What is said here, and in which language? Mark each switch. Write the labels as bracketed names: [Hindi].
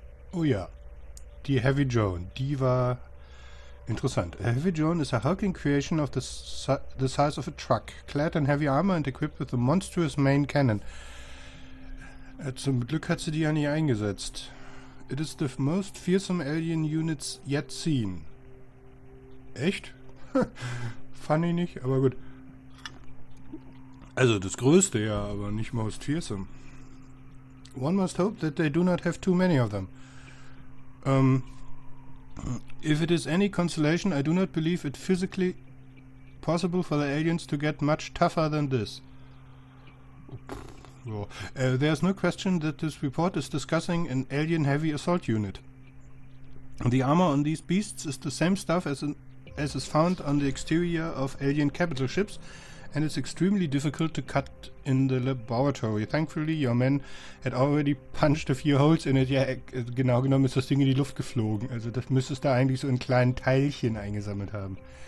[German] Oh ja, die Heavy Joan, die war interessant. [English] A heavy Joan is a hulking creation of the size of a truck, clad in heavy armor and equipped with a monstrous main cannon. [German] Zum Glück hat sie die ja nie eingesetzt. [English] It is the most fearsome alien units yet seen. [German] Echt? Funny nicht, aber gut. Also das Größte ja, aber nicht [English] most fearsome. One must hope that they do not have too many of them. If it is any consolation, I do not believe it physically possible for the aliens to get much tougher than this. So. There is no question that this report is discussing an alien heavy assault unit. The armor on these beasts is the same stuff as is found on the exterior of alien capital ships, and it's extremely difficult to cut in the laboratory. Thankfully, your man had already punched a few holes in it. [German] Ja, genau genommen ist das Ding in die Luft geflogen. Also das müsstest du eigentlich so in kleinen Teilchen eingesammelt haben.